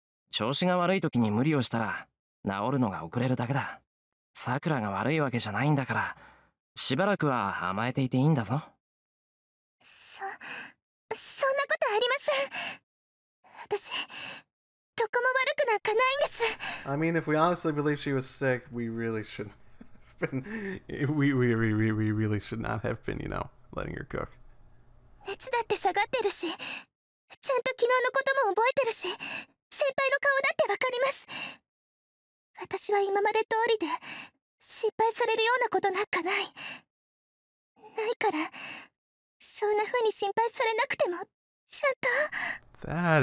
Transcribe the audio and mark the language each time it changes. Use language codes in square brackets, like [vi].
[ja] 調子が悪い時に無理をしたら治るのが遅れるだけだ。 Sakura が悪いわけじゃないんだから、しばらくは甘えていていいんだぞ。そんなことありません。私、どこも悪くなんかないんです。 [en] I mean, if we honestly believe she was sick, we really shouldn't. We really should not have been, you know, letting her cook. [ja] 熱だって下がってるし、ちゃんと昨日のことも覚えてるし、先輩の顔だってわかります。私は今まで通りで、失敗されるようなことなんかない。ないから、そんな風に心配されなくても、ちゃんと。